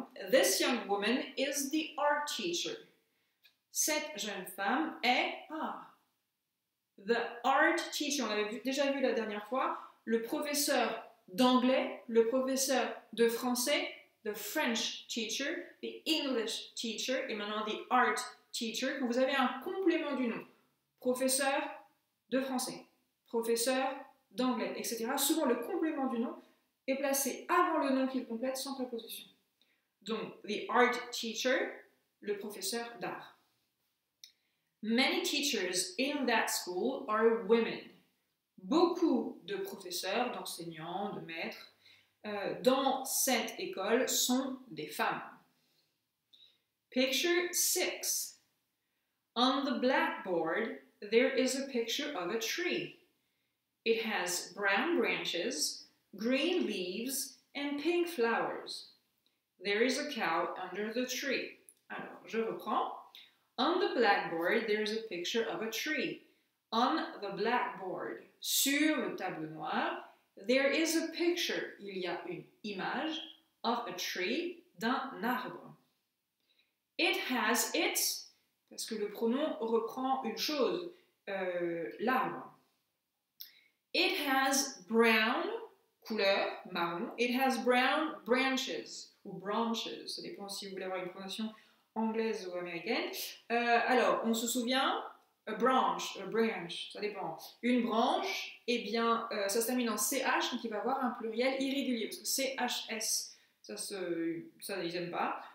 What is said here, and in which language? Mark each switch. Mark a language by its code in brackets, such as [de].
[en] This young woman is the art teacher. [fr] Cette jeune femme est [en] the art teacher. [fr] On l'avait déjà vu la dernière fois. Le professeur d'anglais, le professeur de français, [en] the French teacher, the English teacher, [fr] et maintenant [en] the art teacher, [fr] quand vous avez un complément du nom, professeur de français, professeur d'anglais, etc. Souvent, le complément du nom est placé avant le nom qu'il complète sans préposition. Donc, [en] the art teacher, [fr] le professeur d'art. [en] Many teachers in that school are women. [fr] Beaucoup de professeurs, d'enseignants, de maîtres dans cette école sont des femmes. [en] Picture 6. On the blackboard, there is a picture of a tree. It has brown branches, green leaves, and pink flowers. There is a cow under the tree. [fr] Alors, je reprends. [en] On the blackboard, there is a picture of a tree. On the blackboard, [fr] sur le tableau noir, [en] there is a picture, [fr] il y a une image, [en] of a tree, [fr] d'un arbre. [en] It has it. [fr] Parce que le pronom reprend une chose, l'arbre. [en] It has brown, [fr] couleur, marron. [en] It has brown branches, ou branches. [fr] Ça dépend si vous voulez avoir une prononciation anglaise ou américaine. Alors, on se souvient, [en] A branch, [fr] ça dépend. Une branche, eh bien, ça se termine en ch, donc il va avoir un pluriel irrégulier, parce que chs, ça ils n'aiment pas.